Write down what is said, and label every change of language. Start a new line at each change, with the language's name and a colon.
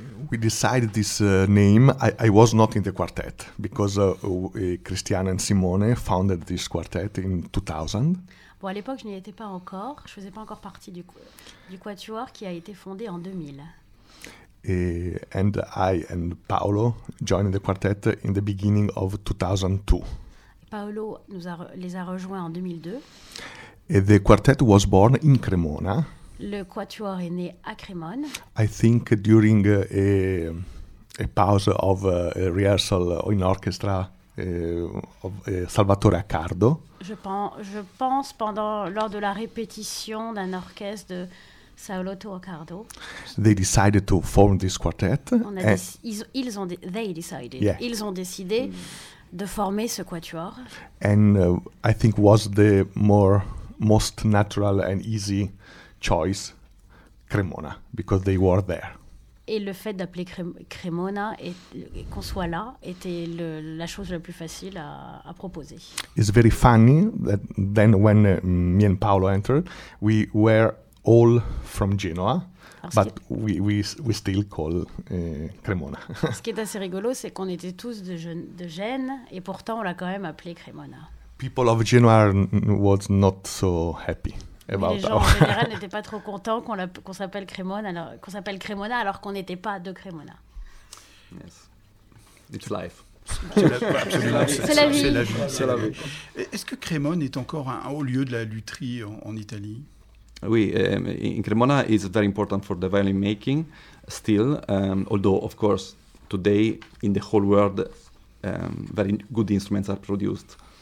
English: We decided this name. I was not in the quartet because Christiane and Simone founded this quartet in 2000.
French: Bon, à l'époque, je n'y étais pas encore. Je faisais pas encore partie du quatuor qui a été fondé en 2000.
English: And I and Paolo joined the quartet in the beginning of 2002.
French: Paolo les a rejoints en 2002.
English: And the quartet was born in Cremona.
French: Le quatuor est né à Cremone.
English: I think during a pause of a rehearsal in orchestra of Salvatore Accardo.
French: Je pense lors de la répétition d'un orchestre de Salvatore Accardo.
English: They decided to form this quartet.
French: Ils ont décidé de former ce quatuor.
English: And I think was the more most natural and easy choice, Cremona, because they were there.
French: Et le fait d'appeler Cremona et qu'on soit là était le, la chose la plus facile à proposer.
English: It's very funny that then when me and Paolo entered, we were all from Genoa. But we still call Cremona.
French: Ce qui est assez rigolo, c'est qu'on était tous de Gênes et pourtant on l'a quand même appelé Cremona.
English: People of Genoa was not so happy about
French: that. Les gens en général n'étaient pas trop contents qu'on s'appelle Cremona alors qu'on n'était pas de Cremona.
English: Yes, it's life.
French: C'est la vie. Est-ce que Cremona est encore un haut lieu de la lutherie en Italie?
English: Oui, in Cremona is very important for the violin making still, although of course today in the whole world very good instruments are produced.